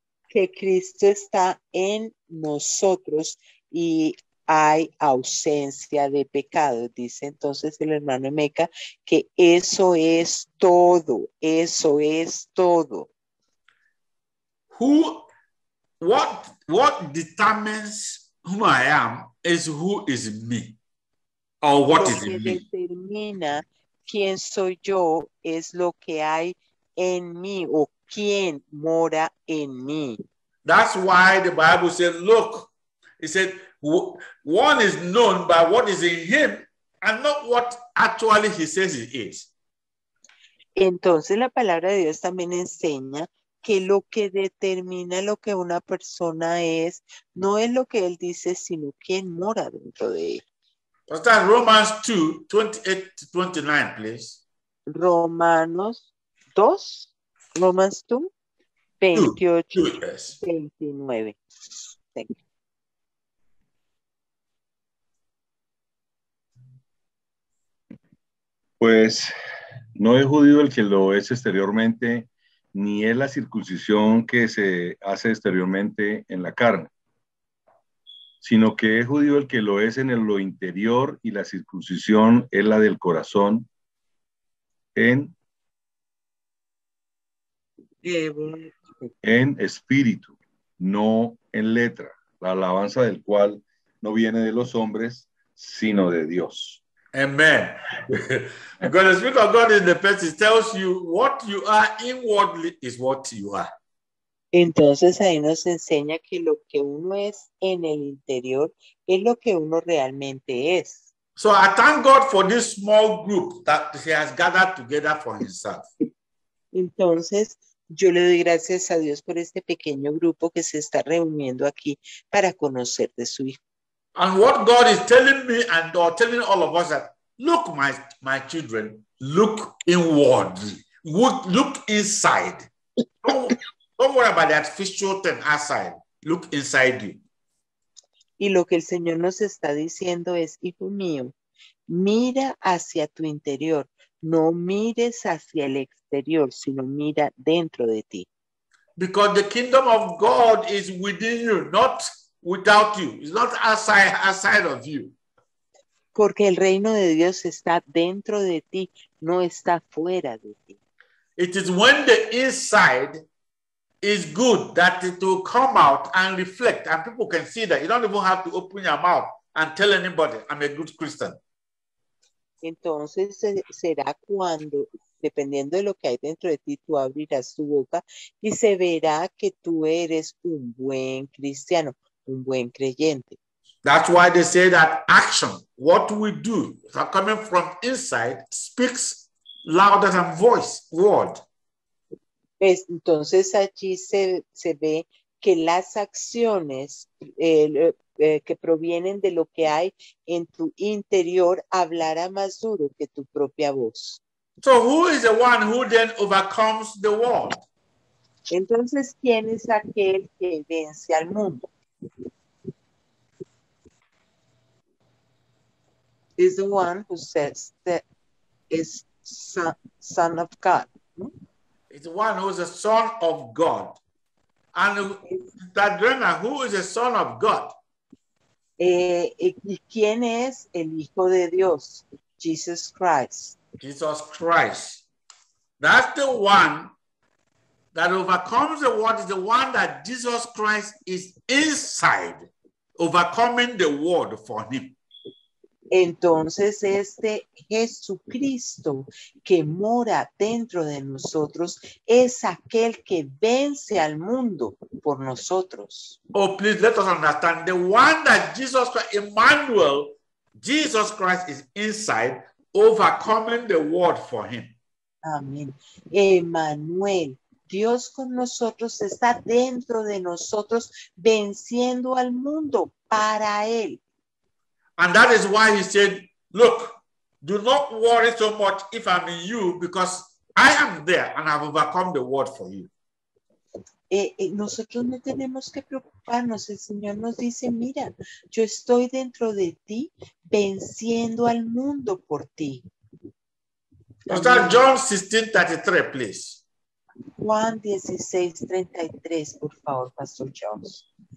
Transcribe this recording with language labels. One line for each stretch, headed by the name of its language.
Spanish: Que Cristo está en nosotros y hay ausencia de pecado. Dice entonces el hermano Emeka que eso es todo. Eso es todo.
English: What determines who I am is who is me. or what is in me.
Spanish: Lo que determina quién soy yo es lo que hay en mí o quién mora en mí.
English: That's why the Bible said, look, it said, one is known by what is in him and not what actually he says it is.
Spanish: Entonces la palabra de Dios también enseña que lo que determina lo que una persona es no es lo que él dice, sino quién mora dentro de él.
English: Romans 2, 28 to 29, please. Romans 2, 28 to 29. Thank you.
Spanish: Pues no es judío el que lo es exteriormente, ni es la circuncisión que se hace exteriormente en la carne, sino que es judío el que lo es en lo interior, y la circuncisión es la del corazón, en espíritu, no en letra, la alabanza del cual no viene de los hombres, sino de Dios.
English: Amen. Because the Spirit of God in the person tells you what you are inwardly is what you are.
Spanish: Entonces ahí nos enseña que lo que uno es en el interior es lo que uno realmente es.
English: So I thank God for this small group that he has gathered together for himself.
Spanish: Entonces yo le doy gracias a Dios por este pequeño grupo que se está reuniendo aquí para conocer de su hijo.
English: And what God is telling me and or telling all of us that, look, my children, look inward. Look inside. Don't worry about that physical thing outside. Look inside you.
Spanish: Y lo que el Señor nos está diciendo es, hijo mío, mira hacia tu interior. No mires hacia el exterior, sino mira dentro de ti.
English: Because the kingdom of God is within you, not without you. It's not outside of you.
Spanish: Porque el reino de Dios está dentro de ti, no está fuera de ti.
English: It is when the inside is good that it will come out and reflect, and people can see that. You don't even have to open your mouth and tell anybody, I'm a good Christian.
Spanish: Entonces, será cuando, dependiendo de lo que hay dentro de ti, tú abrirás tu boca y se verá que tú eres un buen cristiano. Un buen creyente.
English: That's why they say that action, what we do, coming from inside, speaks louder than voice, word.
Spanish: Pues entonces allí se ve que las acciones que provienen de lo que hay en tu interior hablará más duro que tu propia voz.
English: So who is the one who then overcomes the world?
Spanish: Entonces, ¿quién es aquel que vence al mundo?
English: Is the one who says that is son of God. It's the one who is a son of God. And that Grena, who is a son of God?
Spanish: ¿Quién es el hijo de Dios?
English: Jesus Christ. Jesus Christ. That's the one that overcomes the world, is the one that Jesus Christ is inside, overcoming the world for him.
Spanish: Entonces, este Jesucristo que mora dentro de nosotros es aquel que vence al mundo por nosotros.
English: Oh, please let us understand, the one that Jesus Christ, Emmanuel, Jesus Christ is inside, overcoming the world for him.
Spanish: Amén. Emmanuel, Dios con nosotros, está dentro de nosotros venciendo al mundo para él.
English: And that is why he said, look, do not worry so much if I'm in you, because I am there and I've overcome the world for you.
Spanish: Nosotros no tenemos que preocuparnos. El Señor nos dice, mira, yo estoy dentro de ti, venciendo al mundo por ti.
English: Pastor, John 16:33, please.
Spanish: Juan 16:33, por favor, Pastor Jones.